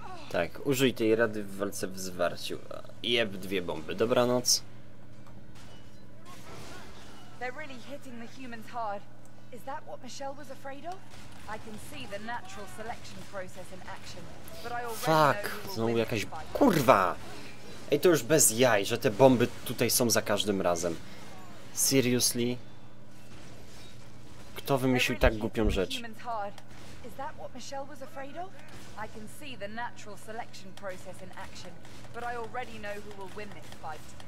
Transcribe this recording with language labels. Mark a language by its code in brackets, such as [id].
[pl] Tak, użyj tej rady w walce w zwarciu. Jeb dwie bomby. Dobranoc. [en] They're really hitting the humans hard. Is that what Michelle was afraid of? I can see the natural selection process in action, but I already fuck. [pl] Znowu jakaś kurwa. Ej, to już bez jaj, że te bomby tutaj są za każdym razem. [en] Seriously? [pl] Kto wymyślił tak głupią rzecz? [en] Is that what Michelle was afraid of? I can see the natural selection process in action, but I already know who will win this fight.